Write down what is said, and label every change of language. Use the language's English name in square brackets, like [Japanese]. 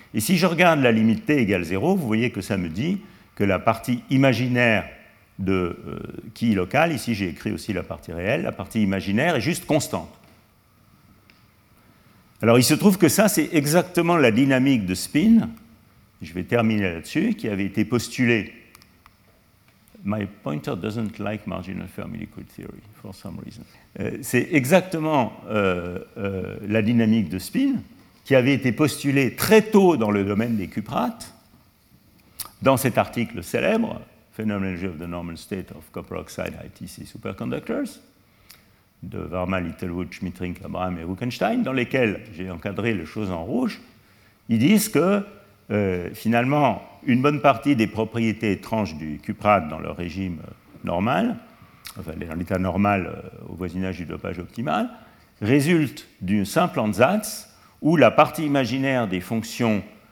[French] Et si je regarde la limite T égale 0, vous voyez que ça me dit que la partie imaginaire de qui local, ici j'ai écrit aussi la partie réelle, la partie imaginaire est juste constante. Alors il se trouve que ça, c'est exactement la dynamique de spin, je vais terminer là-dessus, qui avait été postulée. [English] My pointer doesn't like marginal Fermi liquid theory, for some reason. [French] C'est exactement la dynamique de spin qui avait été postulée très tôt dans le domaine des cuprates, dans cet article célèbre, [English] Phenomenology of the Normal State of Copper Oxide High TC Superconductors, [French] de Varma, Littlewood, Schmittrink, Abraham et Wuchenstein, dans lesquels j'ai encadré les choses en rouge, ils disent que, finalement, une bonne partie des propriétés étranges du cuprate dans leur régime normal, enfin, dans l'état normal au voisinage du dopage optimal, résulte d'une simple ansatz où la partie imaginaire des fonctions